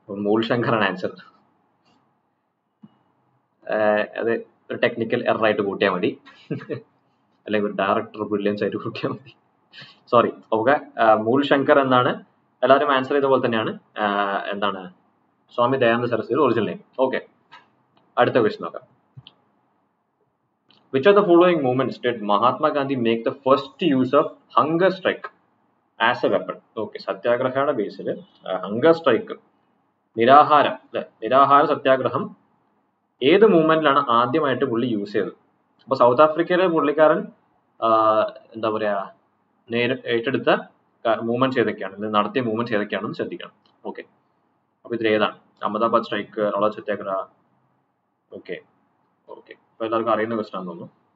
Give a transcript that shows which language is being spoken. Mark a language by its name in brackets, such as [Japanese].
[Malayalam] മൂൾ ശങ്കറാണ് answer, അത് ഒരു technical error ആയിട്ട് കൂട്ടിയാൽ മതി, അല്ലെങ്കിൽ ഒരു ഡയറക്ടർ ബ്രില്യൻസ് ആയിട്ട് കൂട്ടിയാൽ മതി, സോറി. ഓക്കെ, മൂൾ ശങ്കർ എന്നാണ് എല്ലാവരും ആൻസർ ചെയ്ത പോലെ തന്നെയാണ്, എന്താണ് Swami Dayananda Saraswati original name. Okay, അടുത്ത ക്വസ്റ്റ്യൻ നോക്കാം. [English] Which of the following moments did Mahatma Gandhi make the first use of hunger strike as a weapon? [Malayalam] Okay, satyagrahana basis hunger strike nirahara nirahara satyagraham ഏത് മൂമെന്റിൽ ആണ് ആദ്യമായിട്ട് പുള്ളി യൂസ് ചെയ്തത്? അപ്പൊ south ആഫ്രിക്കയിലെ പുള്ളിക്കാരൻ എന്താ പറയാ ഏറ്റെടുത്ത മൂവ്മെന്റ്സ് ഏതൊക്കെയാണ്, നടത്തിയ മൂവ്മെന്റ്സ് ഏതൊക്കെയാണെന്ന് ശ്രദ്ധിക്കണം. ഓക്കെ, അപ്പൊ ഇതിൽ ഏതാണ്, അഹമ്മദാബാദ് സ്ട്രൈക്ക്, റോള സത്യാഗ്രഹ? ഓക്കെ ഓക്കെ, അപ്പൊ എല്ലാവർക്കും അറിയുന്ന ക്വസ്റ്റ്യൻ ആണെന്ന് തോന്നുന്നു.